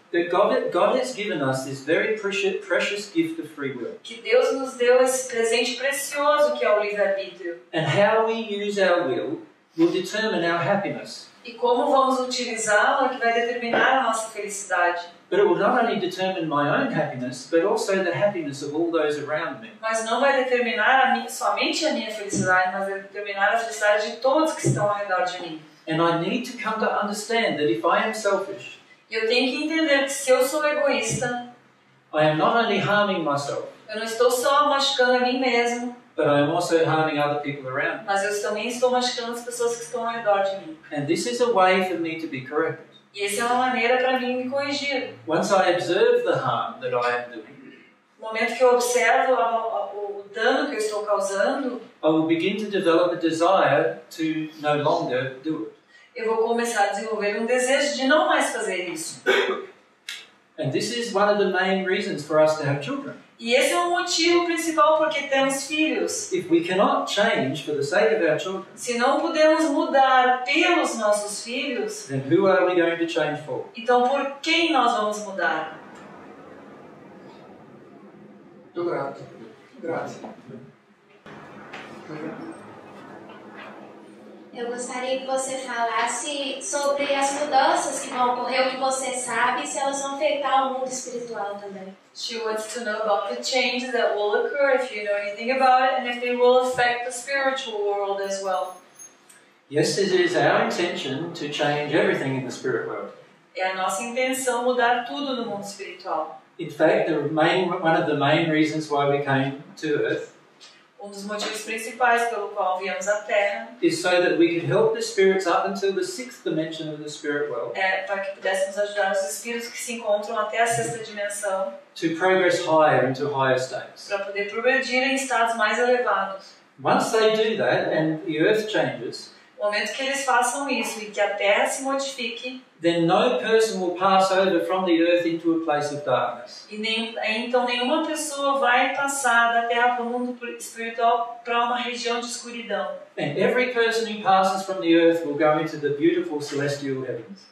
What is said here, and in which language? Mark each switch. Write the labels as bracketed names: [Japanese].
[English] That God has given us this very precious gift of free will. [Portuguese] Que Deus nos deu esse presente precioso que é o livre-arbítrio. [English] And how we use our will determine our happiness. [Portuguese] E como vamos utilizá-lo que vai determinar a nossa felicidade. [English] But it will not only determine my own happiness, but also the happiness of all those around me. [Portuguese] Mas não vai determinar somente a minha felicidade, mas vai determinar a felicidade de todos que estão ao redor de mim. [English] And I need to come to understand that if I am selfish. [Portuguese] Eu tenho que entender que se eu sou egoísta, [English] I am not only harming myself, [Portuguese] eu não estou só machucando a mim mesmo, [English] but I am also harming other people around me. [Portuguese] Mas eu também estou machucando as pessoas que estão ao redor de mim. [English] And this is a way for me to be corrected. [Portuguese] E essa é uma maneira para mim me corrigir. [English] Once I observe the harm that I am doing, [Portuguese] no momento que eu observo o dano que eu estou causando, [English] I will begin to develop a desire to no longer do it. [Portuguese] Eu vou começar a desenvolver desejo de não mais fazer isso. [English] And this is one of the main reasons for us to have children. [Portuguese] E esse é o motivo principal porque temos filhos. [English] If we cannot change for the sake of our children, [Portuguese] se não podemos mudar pelos nossos filhos, [English] then who are we going to change for? [Portuguese] Então por quem nós vamos mudar? Tô grato. Eu gostaria que você falasse sobre as mudanças que vão ocorrer, o que você sabe, se elas vão afetar o mundo espiritual também. [English] She wants to know about the changes that will occur, if you know anything about it, and if they will affect the spiritual world as well. Yes, it is our intention to change everything in the spirit world. [Portuguese] É a nossa intenção mudar tudo no mundo espiritual. [English] In fact, the main, one of the main reasons why we came to Earth, [Portuguese] um dos motivos principais pelo qual viemos à Terra, [English] is so that we could help the spirits up until the sixth dimension of the spirit world, [Portuguese] é para que pudéssemos ajudar os espíritos que se encontram até a sexta dimensão, [English] to progress higher into higher states, [Portuguese] para poder progredir em estados mais elevados. [English] Once they do that and the Earth changes, [Portuguese] no momento que eles façam isso e que a Terra se modifique, [English] then no person will pass over from the Earth into a place of darkness. [Portuguese] E nem, então nenhuma pessoa vai passar da Terra para o mundo espiritual para uma região de escuridão. [English] And every person who passes from the Earth will go into the beautiful celestial heavens.